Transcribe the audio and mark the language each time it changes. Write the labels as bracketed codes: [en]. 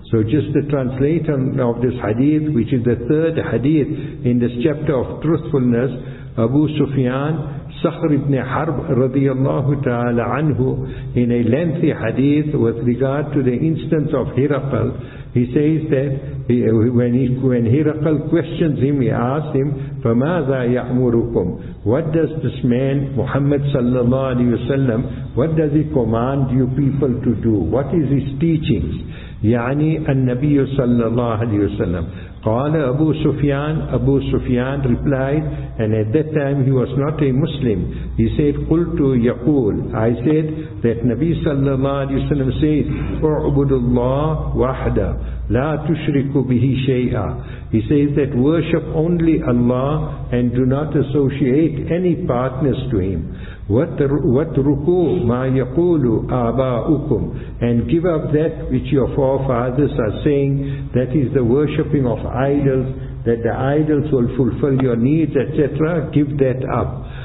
[en] So just the translation of this hadith, which is the third hadith in this chapter of truthfulness, Abu Sufyan, Sakhr ibn Harb radiyallahu ta'ala anhu, in a lengthy hadith with regard to the instance of Hiraqal, he says that when Hiraqal questions him, he asks him, [ar] فَمَاذَا يَعْمُرُكُمْ, [en] what does this man Muhammad sallallahu alayhi wasallam, what does he command you people to do? What is his teachings? [ar] يعني النبي صلى الله عليه وسلم. قال أبو سفيان, أبو سفيان [en] replied, and at that time he was not a Muslim. He said, [ar] قلت يقول, [en] I said that [ar] نبي صلى الله عليه وسلم said, اعبد الله وحده لا تشرك به شيئا. [en] He says that worship only Allah and do not associate any partners to him. [ar] وَاتْرُكُوا مَا يَقُولُ آبَاؤُكُمْ, [en] and give up that which your forefathers are saying, that is the worshipping of idols, that the idols will fulfill your needs, etc. Give that up.